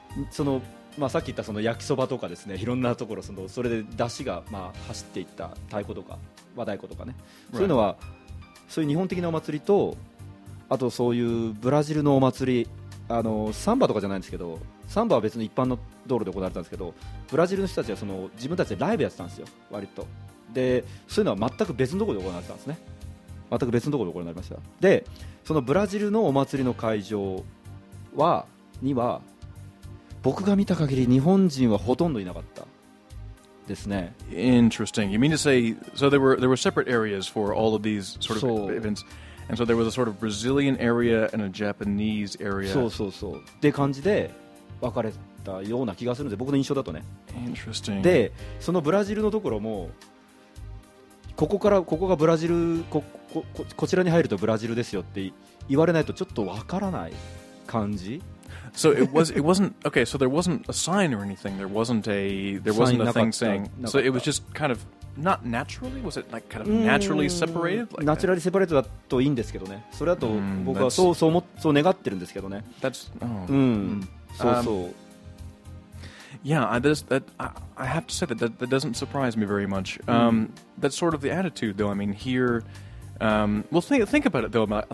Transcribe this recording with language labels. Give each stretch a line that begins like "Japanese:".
Japanese: その、まあ、さっき言ったその焼きそばとかですね、いろんなところ それで出汁がまあ走っていった太鼓とか和太鼓とかね、そういうのは、right. そういう日本的なお祭りと、あとそういうブラジルのお祭り、あのサンバとかじゃないんですけど、サンバは別の一般の道路で行われたんですけど、ブラジルの人たちはその自分たちでライブやってたんですよ割と。でそういうのは全く別のところで行われたんですね。全く別のところで行われました。でそのブラジルのお祭りの会場はには僕が見た限り日本人はほとんどいなかったですね。
English: Interesting. You mean to say so there were separate areas for all of these sort of events, and so there was a sort of Brazilian area and a Japanese area.
Japanese: そうそうそうって感じで分かれたような気がするので、僕の印象だとね。
English: Interesting.
Japanese: でそのブラジルのところもここからここがブラジル こちらに入るとブラジルですよって言われないとちょっとわからない感じ。
English: So it wasn't okay. So there wasn't a sign or anything. There wasn't a thing saying. So it was just kind of not naturally. Was it like kind of naturally separated? Like naturally separated
Japanese: だといいんですけどね。それだと僕はそう願ってるんですけどね。
English: That's
Japanese: そう。
English: Yeah, I have to say that doesn't surprise me very much. That's sort of the attitude, though. I mean, here, well, think about it, though.